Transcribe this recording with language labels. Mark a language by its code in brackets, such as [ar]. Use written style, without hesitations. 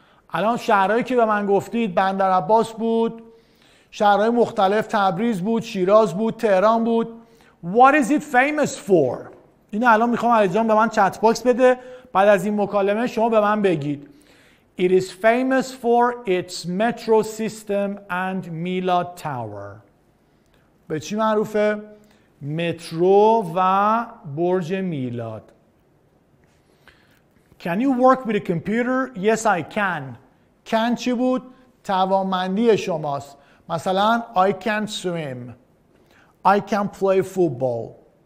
[fa] الان شهرهایی که به من گفتید بندر عباس بود، شهرهای مختلف تبریز بود، شیراز بود، تهران بود. [en] What is it famous for؟ [fa] این الان میخوام علیجان به من چت باکس بده، بعد از این مکالمه شما به من بگید. [en] It is famous for its metro system and Mila Tower. [fa] به چی معروفه؟ مترو و برج میلاد. [en] Can you work with a computer? Yes, I can. [fa] Can چی بود؟ توانمندی شماست. [en] مثلا I can swim. I can play football.